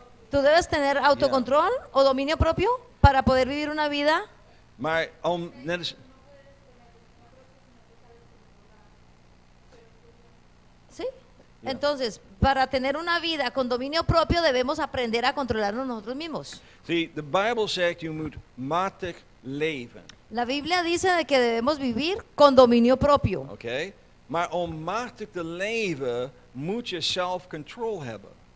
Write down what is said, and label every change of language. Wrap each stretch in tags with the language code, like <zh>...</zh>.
<es>Tú debes tener autocontrol yeah. O dominio propio para poder vivir una vida. Sí. Entonces, para tener una vida con dominio propio, debemos aprender a controlarnos nosotros mismos.</es> <en>See, the Bible says you must</en> <nl>matig leven.</nl> <es>La Biblia dice de que debemos vivir con dominio propio.</es> <en>Okay.</en> <nl>Maar om machtig te leven moet je self-control hebben.</nl>